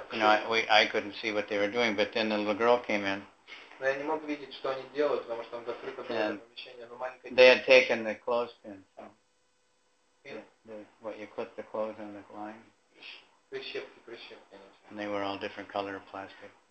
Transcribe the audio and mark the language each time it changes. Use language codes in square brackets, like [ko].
[en] I couldn't see what they were doing, but then the little girl came in. [ru] Я не мог видеть, что они делают, потому что там закрыто было помещение, но маленькая. [en] They had taken the clothespin. So. What you put the clothes on the line? [ru] Прищепки. [en] And they were all different color of plastic.